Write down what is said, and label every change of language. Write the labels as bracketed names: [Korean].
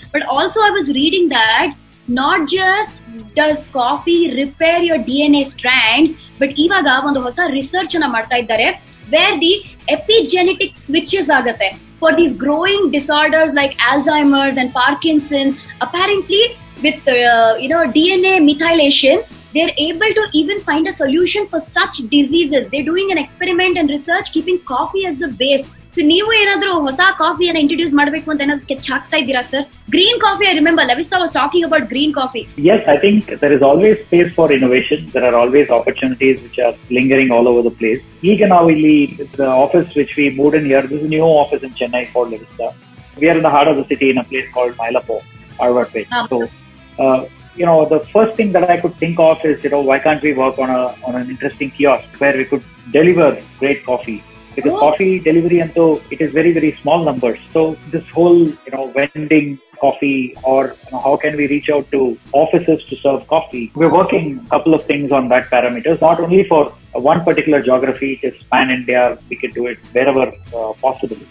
[English] but also I was reading that not just does coffee repair your DNA strands, but [Kannada] ಇವಾಗ ಒಂದು ಹೊಸ research ಅನ್ನ ಮಾಡ್ತಾ ಇದ್ದಾರೆ [English] Where the epigenetic switches ಆಗುತ್ತೆ for these growing disorders like Alzheimer's and Parkinson's. Apparently with DNA methylation, they're able to even find a solution for such diseases. They're doing an experiment and research keeping coffee as the base. [Kannada] So ನೀವು ಏನಾದ್ರೂ ಹೊಸ coffee ಅನ್ನ introduce ಮಾಡ್ಬೇಕು ಅಂತ ಏನಾದ್ರು sketch ಹಾಕ್ತಾ ಇದ್ದೀರಾ sir? [English] Green coffee, I remember Levista was talking about green coffee. Yes, I think there is always space for innovation. There are always opportunities which are lingering all over the place. [Kannada] ಈಗ ನಾವು ಇಲ್ಲಿ [English] Office which we moved in here, this new office in Chennai for Levista. We are in the heart of the city in a place called Mylapore, Alwarpet. So you know, the first thing that I could think of is, you know, why can't we work on an interesting kiosk where we could deliver great coffee? Because coffee delivery, and though it is very, very small numbers, so this whole, you know, vending coffee, or you know, how can we reach out to offices to serve coffee, we're working a couple of things on that parameters, not only for one particular geography, it is pan India, we can do it wherever possible.